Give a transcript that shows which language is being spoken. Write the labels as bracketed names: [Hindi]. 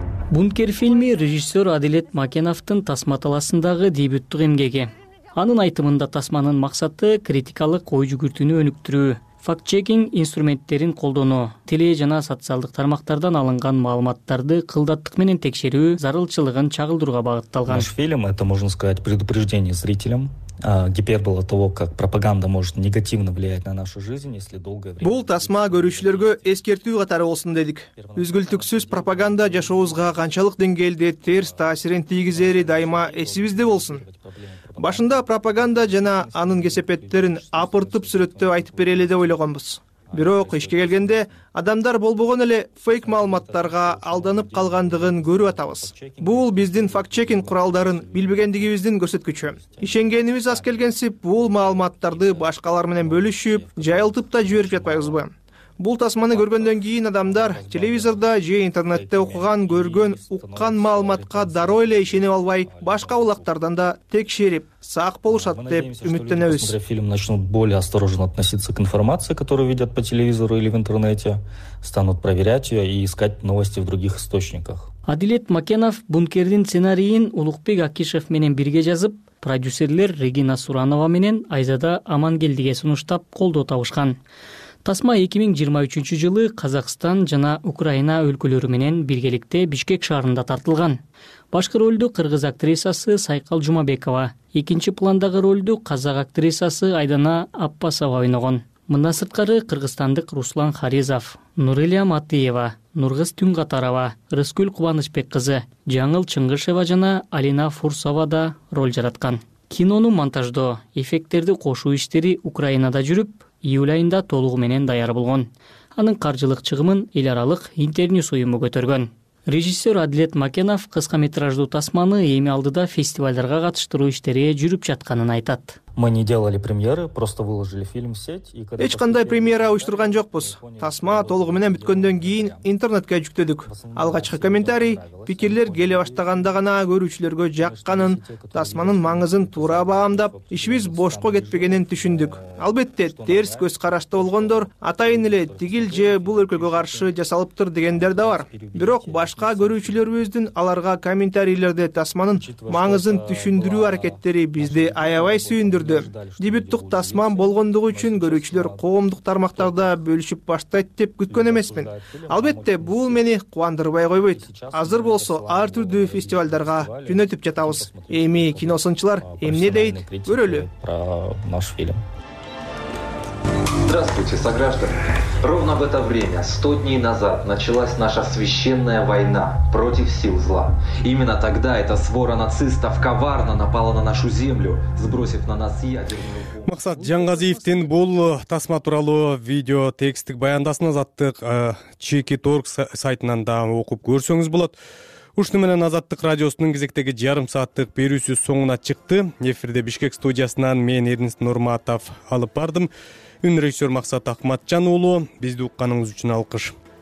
[Kyrgyz] Бункер фильми режиссер Адилет Макеновтун тасма талаасындагы дебюттук эмгеги. Анын айтымында тасманын максаты критикалык ой жүгүртүүнү өнүктүрүү, факт-чекинг инструменттерин колдонуу, теле жана социалдык тармактардан алынган маалыматтарды кылдаттык менен текшерүү зарылчылыгын чагылдырууга багытталган. [Russian] Наш фильм это, можно сказать, предупреждение зрителям. Гипербола того, как пропаганда может негативно влиять на нашу жизнь, если долгое время. [Kyrgyz] Бул тасма көрүүчүлөргө эскертүү катары болсун дедик. Үзгүлтүксүз пропаганда жашообузга канчалык деңгээлде терс таасирин тийгизери дайыма эсибизде болсун. Башында пропаганда жана анын кесепеттерин апыртып сүрөттөп айтып берели деп ойлогонбуз. Бирок ишке келгенде адамдар болбогон эле фейк маалыматтарга алданып калгандыгын көрүп атабыз. Бул биздин факт-чекинг куралдарын билбегендигибиздин көрсөткүчү. Ишенгенибиз аз келгенсип, бул маалыматтарды башкалар менен бөлүшүп, жайылтып да жиберип жатпайбызбы? Бул тасманы көргөндөн кийин адамдар телевизорда же интернетте окуган, көргөн, уккан маалыматка дароо эле ишенип албай, башка улактардан да текшерип, сак болушат деп үмүттөнөбүз. [Russian] Фильм начнут более осторожно относиться к информации, которую видят по телевизору или в интернете, станут проверять её и искать новости в других источниках. [Kyrgyz] Адилет Макенов Бункердин сценарийин Улукбек Акишев менен бирге жазып, продюсерлер Регина Суранова менен Айзада Амангелдиге сунуштап колдоо табышкан. Тасма 2023 жылы Казакстан жана Украина өлкөлөрү менен биргеликте Бишкек шаарында тартылган. Башкы ролду кыргыз актрисасы Сайкал Жумабекова, экинчи пландагы ролду казак актрисасы Айдана Аппасова ойногон. Мындан сырткары кыргызстандык Руслан Харизов, Нурелия Матыева, Нургыз Түнгатарова, Рыскүл Кубанычбек кызы, Жаңыл Чыңгышева жана Алина Фурсова да роль жараткан. Кинону монтаждоо, эффекттерди кошуу иштери Украинада жүрүп, июль айында толугу менен даяр болгон. Анын каржылык чыгымын эл аралык Интерньюс уюму көтөргөн. Режиссер Адилет Макенов кыска метраждуу тасманы эми алдыда фестивалдарга катыштыруу иштери жүрүп жатканын айтат. [Russian] Мы не делали премьеры, просто выложили фильм в сеть. [Kyrgyz] Эч кандай премьера уюштурган жокпуз. Тасма толугу менен бүткөндөн кийин интернетке жүктөдүк. Алгачкы комментарий, пикирлер келе баштаганда гана көрүүчүлөргө жакканын, тасманын маңызын туура баамдап, ишибиз бошко кетпегенин түшүндүк. Албетте, терс көз карашта болгондор, атайын эле тигил же бул өлкөгө каршы жасалыптыр дегендер да бар. Бирок башка көрүүчүлөрүбүздүн аларга комментарийлерде тасманын маңызын түшүндүрүү аракеттери бизди аябай сүйүндү. Дебюттук тасман болгондугу үчүн көрүүчүлөр коомдук тармактарда бөлүшүп баштайт деп күткөн эмесмин. Албетте, бул мени кубандырбай койбойт. Азыр болсо ар түрдүү фестивалдарга жөнөтүп жатабыз. Эми киносунчулар эмне дейт? Көрөлү. [Russian] Про наш фильм. Здравствуйте, сограждане. Ровно в это время, 100 дней назад, началась наша священная война против сил зла. Именно тогда эта свора нацистов коварно напала на нашу землю, сбросив на нас ядерную бомбу. [Kyrgyz] Максат Жангазиевтин бул тасма тууралуу видео тексттик баяндасын азаттык Чики.org сайтынан да окуп көрсөңүз болот. Ушуну менен Азаттык радиосунун кезектеги жарым сааттык берүүсү соңуна чыкты. Эфирде Бишкек студиясынан мен Эрнист Нурматов алып бардым. Үн режиссер Максат Акматжан уулу, бизди укканыңыз үчүн алкыш.